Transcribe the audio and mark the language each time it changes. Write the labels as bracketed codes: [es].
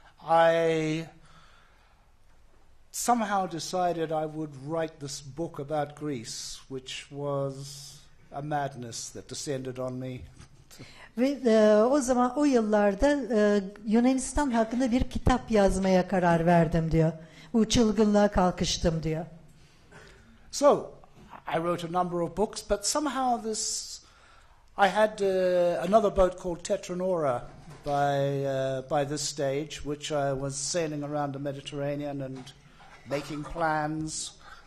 [en] I somehow decided I would write this book about Greece, which was a madness that descended on me. [tr] Ve o zaman o yıllarda Yunanistan hakkında bir kitap yazmaya karar verdim diyor. Bu çılgınlığa kalkıştım diyor. [en] So I wrote a number of books, but somehow this I had another boat called Tetranora by this stage, which I was sailing around the Mediterranean and making plans.